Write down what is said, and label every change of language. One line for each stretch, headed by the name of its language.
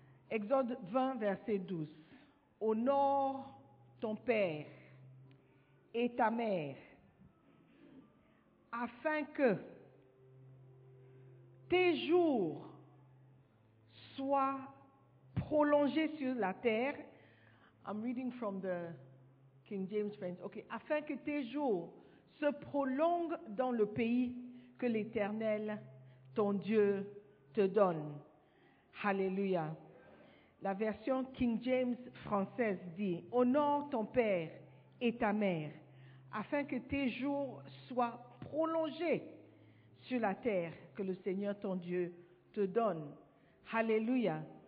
French: Exode 20, verset 12. Honore ton père et ta mère, afin que tes jours soient prolongés sur la terre.
English: I'm reading from the King James Friends. Okay.
French: Afin que tes jours se prolongent dans le pays que l'Éternel, ton Dieu, te donne. Hallelujah. La version King James française dit, honore ton père et ta mère, afin que tes jours soient prolongés sur la terre que le Seigneur ton Dieu te donne. Hallelujah.